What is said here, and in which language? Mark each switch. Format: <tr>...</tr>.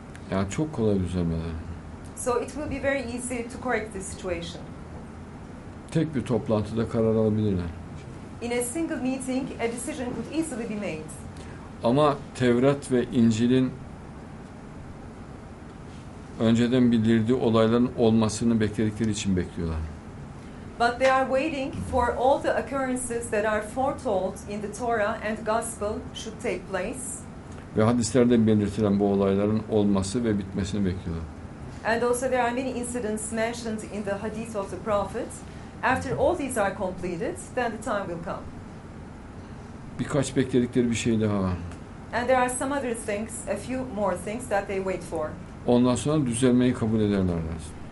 <tr>Yani çok kolay düzelmeler.</tr> <en>So it will be very easy to correct the situation.</en> <tr>Tek bir toplantıda karar alabilirler.</tr> <en>In a single meeting, a decision could easily be made.</en> <tr>Ama Tevrat ve İncil'in önceden bildirdiği olayların olmasını bekledikleri için bekliyorlar.</tr> <en>But they are waiting for all the occurrences that are foretold in the Torah and Gospel should take place.</en> <tr>Ve hadislerde belirtilen bu olayların olması ve bitmesini bekliyorlar.</tr> <en>And also there are many incidents mentioned in the hadith of the prophet After all these are completed, then the time will come.</en> <tr>Birkaç bekledikleri bir şey daha var.</tr> <en>And there are some other things, a few more things that they wait for.</en> <tr>Ondan sonra düzelmeyi kabul ederler lazım.</tr>